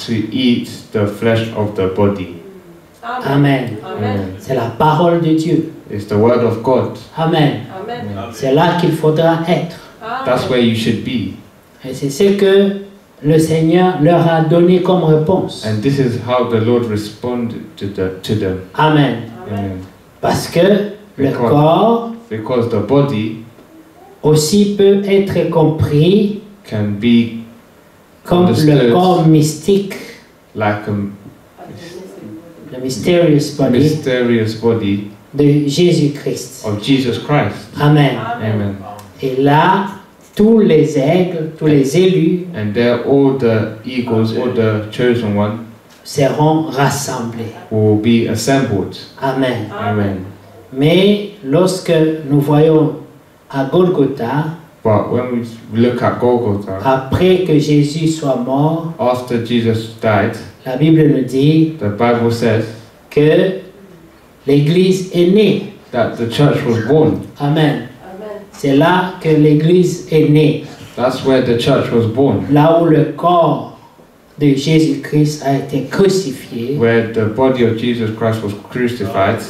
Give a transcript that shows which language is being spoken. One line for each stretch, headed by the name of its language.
English: To eat the flesh of the body. Amen.
French: Amen. C'est la parole de Dieu.
English: It's the word of God. Amen. Amen.
French: C'est là qu'il faudra être. Amen.
English: That's where you should be.
French: Et c'est ce que le Seigneur leur a donné comme réponse.
English: And this is how the Lord responded to them. Amen. Amen.
French: Parce que
English: because,
French: le corps,
English: because the body,
French: aussi peut être compris,
English: can be
French: comme le corps mystique,
English: like the mysterious body, mysterious body
French: de Jésus Christ.
English: Of Jesus Christ. Amen. Amen. Amen.
French: Et là, tous les aigles, tous les élus,
English: and there all the eagles, all the chosen ones,
French: seront rassemblés.
English: Will be assembled. Amen. Amen. Amen.
French: Mais lorsque nous voyons à Golgotha,
English: but when we look at Golgotha,
French: après que Jésus soit mort,
English: after Jesus died,
French: la Bible nous dit,
English: the Bible says,
French: que l'Église est née.
English: That the church was born. Amen. Amen.
French: C'est là que l'Église est née.
English: That's where the church was born.
French: Là où le corps de Jésus-Christ a été crucifié.
English: Where the body of Jesus Christ was crucified.